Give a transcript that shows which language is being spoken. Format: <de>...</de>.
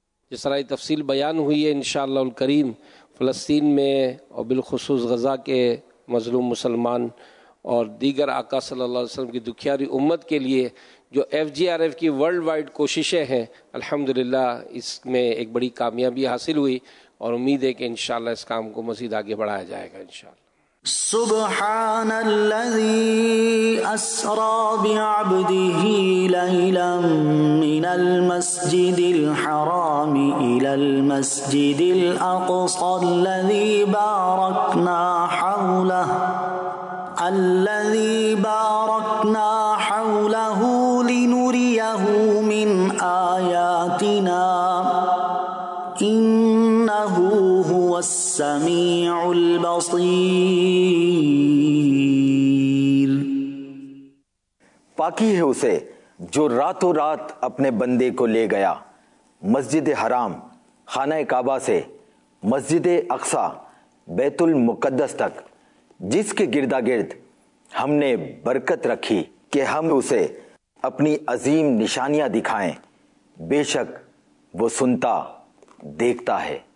<ur>جس طرح تفصیل بیان ہوئی ہے انشاءاللہ الکریم فلسطین میں اور بالخصوص غزہ کے مظلوم مسلمان اور دیگر آقا صلی اللہ علیہ وسلم کی دکھیاری امت کے لیے جو ایف جی آر ایف کی ورلڈ وائڈ کوششیں ہیں الحمدللہ اس میں ایک بڑی کامیابی حاصل ہوئی اور امید ہے کہ انشاءاللہ اس کام کو مزید آگے بڑھایا جائے گا انشاءاللہ.</ur> <ar>سبحان الذي أسرى بعبده ليلا من المسجد الحرام إلى المسجد الأقصى الذي باركنا حوله لنريه من آياتنا إنه هو السميع البصير.</ar> <ur>پاکی ہے اسے جو راتوں رات اپنے بندے کو لے گیا مسجد حرام خانہ کعبہ سے مسجد اقصا بیت المقدس تک جس کے گردا گرد ہم نے برکت رکھی کہ ہم اسے اپنی عظیم نشانیاں دکھائیں بے شک وہ سنتا دیکھتا ہے.</ur>